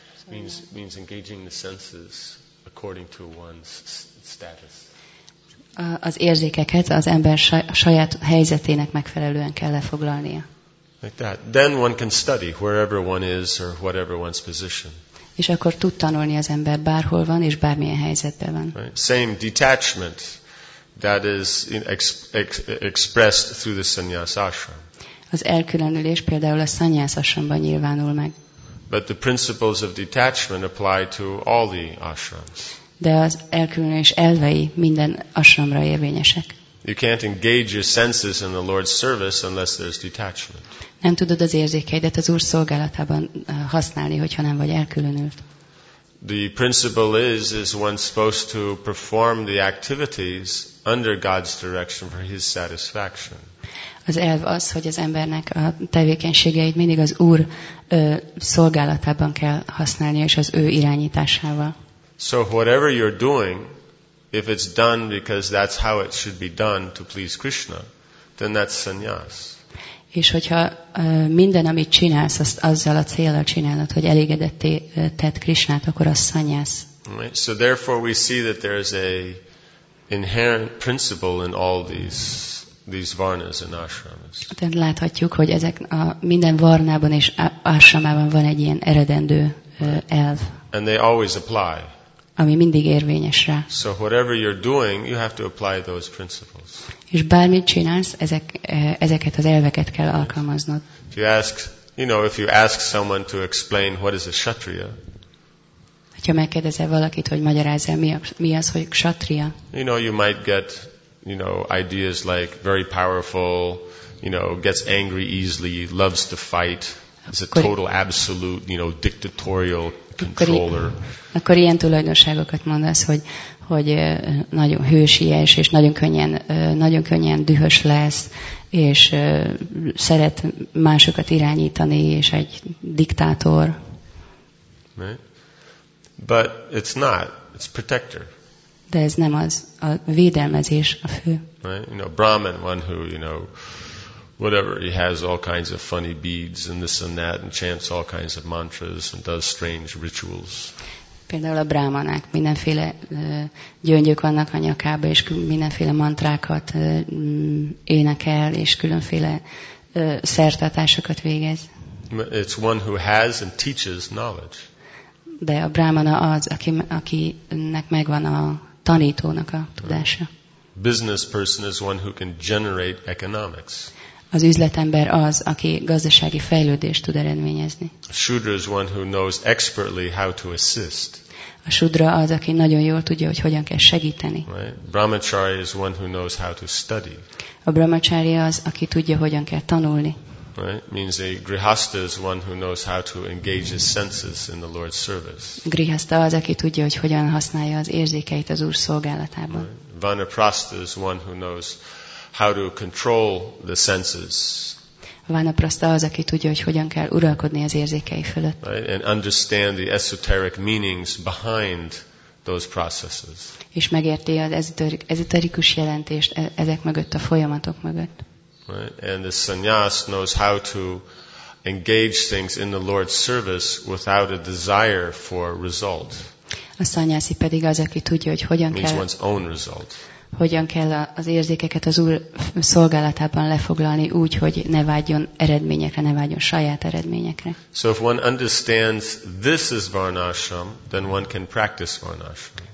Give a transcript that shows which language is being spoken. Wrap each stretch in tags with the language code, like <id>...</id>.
<en>means engaging the senses according to one's status.</en> <hu>Az érzékeket az ember saját helyzetének megfelelően kell lefoglalnia.</hu> <en>Like that. Then one can study wherever one is or whatever one's position.</en> <hu>És akkor tud tanulni az ember bárhol van és bármilyen helyzetben van.</hu> <en>Right. Same detachment that is expressed through the sannyas ashram.</en> <hu>Az elkülönülés például a sannyas ashramban nyilvánul meg.</hu> <en>But the principles of detachment apply to all the ashrams.</en> <hu>De az elkülönülés elvei minden ashramra érvényesek.</hu> <en>You can't engage your senses in the Lord's service unless there's detachment.</en> <hu>Nem tudod az érzékeidet az Úr szolgálatában használni, hogyha nem vagy elkülönült.</hu> <en>The principle is one supposed to perform the activities under God's direction for His satisfaction.</en> <hu>Az elv az, hogy az embernek a tevékenységeit mindig az Úr szolgálatában kell használni, és az Ő irányításával.</hu> <en>So whatever you're doing, if it's done because that's how it should be done to please Krishna, then that's sannyas.</en> <hu>És hogyha minden, amit csinálsz, azt azzal a céllal csinálod, hogy elégedetté tedd Krishnát, akkor az sannyas.</hu> <en>Right. So therefore we see that there is an inherent principle in all these varnas and ashramas.</en> <hu>Tehát láthatjuk, hogy ezek a minden varnában és ashramában van egy ilyen eredendő elv.</hu> <en>And they always apply.</en> <hu>Ami mindig érvényes rá.</hu> <en>So whatever you're doing, you have to apply those principles.</en> <hu>És bármit csinálsz, ezeket az elveket kell alkalmaznod.</hu> <en>If you ask, if you ask someone to explain what is a kshatriya.</en> <hu>Hogyha megkérdezel valakit, hogy magyarázz el, mi az, hogy kshatriya?</hu> <en>You might get, ideas like very powerful, gets angry easily, loves to fight, is a total absolute, dictatorial controller.</en> <hu>Akkor ilyen tulajdonságokat mondasz, hogy nagyon hősies, és nagyon könnyen dühös lesz, és szeret másokat irányítani, és egy diktátor.</hu> <en>But it's not. It's protector.</en> <hu>De ez nem az. A védelmezés a fő.</hu> <en>Right? Brahman, one who, whatever, he has all kinds of funny beads and this and that, and chants all kinds of mantras and does strange rituals.</en> <hu>Például a brahmanák mindenféle gyöngyök vannak a nyakába, és mindenféle mantrákat énekel, és különféle szertartásokat végez.</hu> <en>It's one who has and teaches knowledge.</en> <hu>De a brahmana az, akinek megvan a tanítónak a tudása.</hu> <en>Business person is one who can generate economics.</en> <hu>Az üzletember az, aki gazdasági fejlődést tud eredményezni.</hu> <en>Shudra is one who knows expertly how to assist.</en> <hu>A shudra az, aki nagyon jól tudja, hogy hogyan kell segíteni.</hu> <en>Right? Brahmacharya is one who knows how to study.</en> <hu>A brahmacharya az, aki tudja, hogyan kell tanulni.</hu> <en>Right? Means a grihastha is one who knows how to engage his senses in the Lord's service.</en> <hu>Grihastha az, aki tudja, hogy hogyan használja az érzékeit az Úr szolgálatában.</hu> <en>Right? Vanaprastha is one who knows how to control the senses.</en> <hu>Vanaprastha az, aki tudja, hogy hogyan kell uralkodni az érzékei fölött.</hu> <en>Right? And understand the esoteric meanings behind those processes.</en> <hu>És megérti az ezoterikus jelentést ezek mögött, a folyamatok mögött.</hu> <en>Right? And the sannyas knows how to engage things in the Lord's service without a desire for result.</en> <hu>A sannyasi pedig az, aki tudja, hogy hogyan</hu> <en>means</en> <hu>kell</hu> <en>one's own result.</en> <hu>Hogyan kell az érzékeket az Úr szolgálatában lefoglalni úgy, hogy ne vágyjon eredményekre, ne vágyjon saját eredményekre.</hu> <en>So if one understands this is varnashram, then one can practice varnashram.</en>